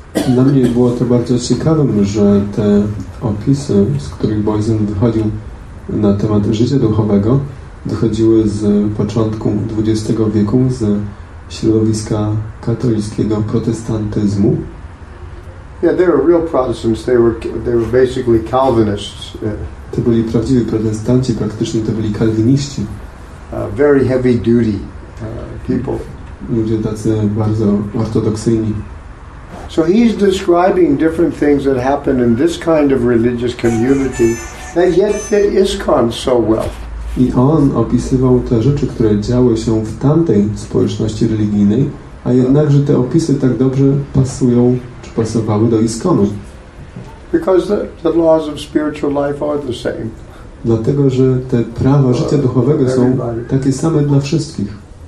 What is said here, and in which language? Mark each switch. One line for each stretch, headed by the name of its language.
Polish: Dla mnie było to bardzo ciekawe, że te opisy, z których Boysen wychodził na temat życia duchowego, wychodziły z początku XX wieku, z środowiska katolickiego protestantyzmu.
English: Yeah, they were real Protestants. They were basically Calvinists.
Polish: To byli prawdziwi protestanci, praktycznie to byli kalwiniści.
English: Very heavy duty people.
Polish: Ludzie tacy bardzo ortodoksyjni.
English: So he's describing different things that happen in this kind of religious community that yet fit ISKCON so well.
Polish: I on opisywał te rzeczy, które działy się w tamtej społeczności religijnej, a jednakże te opisy tak dobrze pasują, czy pasowały do ISKCON-u.
English: Because the laws of spiritual life are the same.
Polish: Dlatego, że te prawa życia duchowego są takie same dla wszystkich.